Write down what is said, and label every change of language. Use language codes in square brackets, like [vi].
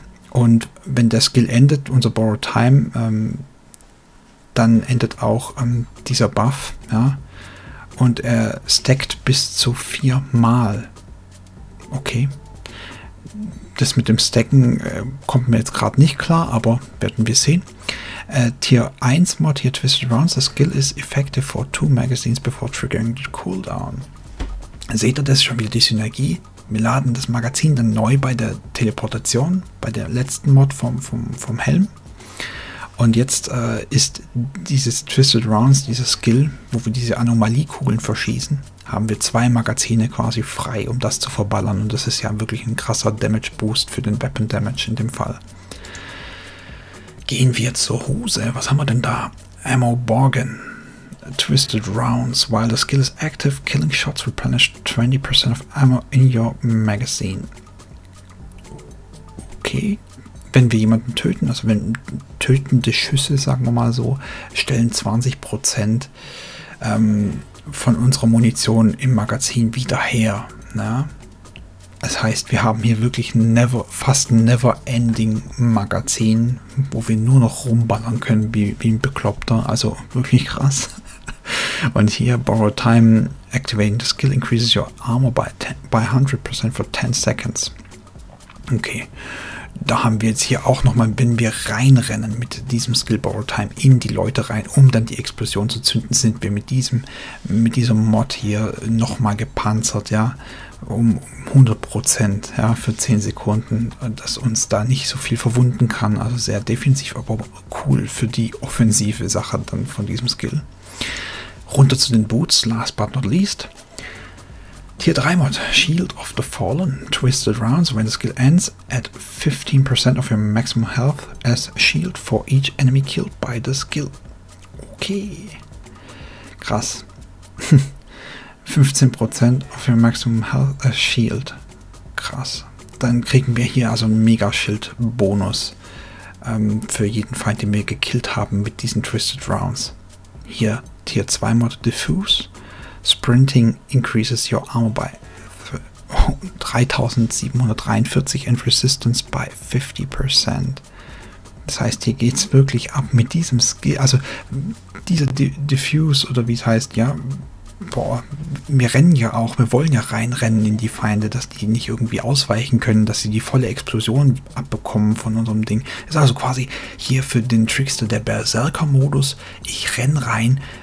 [de] Und wenn der Skill endet, unser Borrow Time, dann endet auch dieser Buff, ja, und er stackt bis zu 4-mal. Okay, das mit dem Stacken kommt mir jetzt gerade nicht klar, aber werden wir sehen. Tier 1 Mod hier [en] Twisted Rounds, the skill is effective for 2 magazines before triggering the cooldown. [de] Seht ihr das schon wieder, die Synergie? Wir laden das Magazin dann neu bei der Teleportation, bei der letzten Mod vom Helm. Und jetzt ist dieses Twisted Rounds, dieser Skill, wo wir diese Anomaliekugeln verschießen, haben wir 2 Magazine quasi frei, um das zu verballern. Und das ist ja wirklich ein krasser Damage Boost für den Weapon Damage in dem Fall. Gehen wir zur Hose. Was haben wir denn da? Ammo Borgen. Twisted Rounds. [en] While the skill is active, killing shots replenish 20% of ammo in your magazine. Okay. [de] Wenn wir jemanden töten, also wenn tötende Schüsse, sagen wir mal so, stellen 20% von unserer Munition im Magazin wieder her. Na? Das heißt, wir haben hier wirklich fast ein never-ending-Magazin, wo wir nur noch rumballern können wie ein Bekloppter. Also wirklich krass. Und hier, [en] Borrow Time, activating the skill increases your armor by 100% for 10 seconds. Okay. [de] Da haben wir jetzt hier auch nochmal, wenn wir reinrennen mit diesem Skill Borrow Time in die Leute rein, um dann die Explosion zu zünden, sind wir mit dieser Mod hier nochmal gepanzert, ja, um 100%, ja, für 10 Sekunden, dass uns da nicht so viel verwunden kann, also sehr defensiv, aber cool für die offensive Sache dann von diesem Skill. Runter zu den Boots, [en] last but not least. Tier 3 Mod, Shield of the Fallen, Twisted Rounds, when the skill ends, add 15% of your maximum health as shield for each enemy killed by the skill. [de] Okay, krass. [en] 15% of your maximum health as shield. [de] Krass. Dann kriegen wir hier also einen Mega-Schild-Bonus für jeden Feind, den wir gekillt haben mit diesen Twisted Rounds. Hier, Tier 2 Mod, Diffuse. [en] Sprinting increases your armor by 3743 and resistance by 50%. [de] Das heißt, hier geht's wirklich ab mit diesem Skill. Also, dieser Diffuse oder wie es heißt, ja, boah, wir rennen ja auch, wir wollen ja reinrennen in die Feinde, dass die nicht irgendwie ausweichen können, dass sie die volle Explosion abbekommen von unserem Ding. Ist also quasi hier für den Trickster der Berserker-Modus. Ich renn rein.